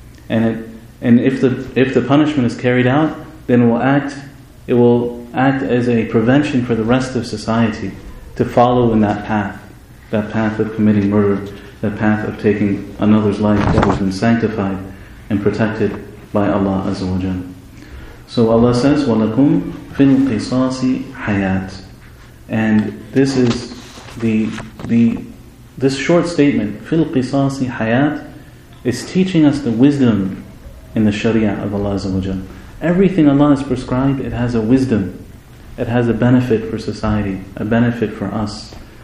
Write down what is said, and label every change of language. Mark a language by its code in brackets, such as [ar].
[en] And if the punishment is carried out, then it will act as a prevention for the rest of society to follow in that path of committing murder, that path of taking another's life that has been sanctified and protected by Allah Azza wa Jalla. So Allah says, [ar] وَلَكُمْ فِي الْقِصَاصِ حَيَاتٍ. [en] And this is this short statement, [ar] فِي الْقِصَاصِ حَيَاتٍ, [en] is teaching us the wisdom in the Sharia of Allah Azza wa Jalla. Everything Allah has prescribed, it has a wisdom. It has a benefit for society, a benefit for us.